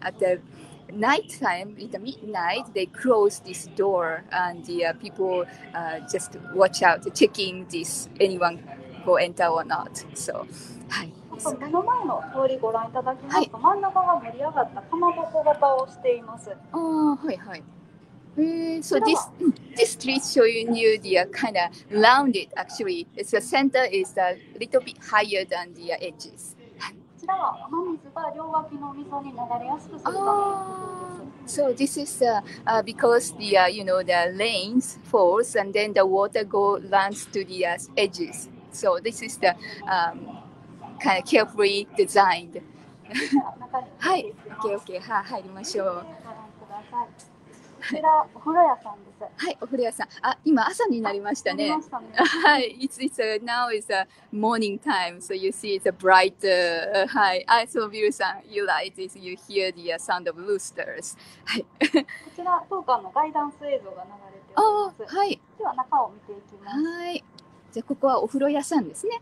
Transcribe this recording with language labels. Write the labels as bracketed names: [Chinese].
[English] At the night time, in the midnight, they close this door, and the people just watch out, checking this anyone go enter or not. So, hi. [Japanese] 目の前の通りご覧いただきますと、はい、真ん中が盛り上がったかまぼこ型をしています。あ、はいはい。 [English] So this, this street showing you the kind of rounded actually. It's the center is a little bit higher than the edges. [Japanese] こちらは雨水が両脇の溝に流れやすくするために。 [English] So this is because the you know the rains falls and then the water go runs to the edges. So this is the kind of carefully designed. [Japanese] はい。 [English] Okay, okay. [Japanese] はい、入りましょう。こちらお風呂屋さんです。はい、お風呂屋さん。あ、今朝になりましたね。なりましたね。 [English] はい、it's now is a morning time, so you see it's a brighter. はい、I saw Viru san, you like this, you hear the sound of roosters. [Japanese] はい。こちら当館のガイダンス映像が流れています。あ、はい。では中を見ていきます。はい。じゃあここはお風呂屋さんですね。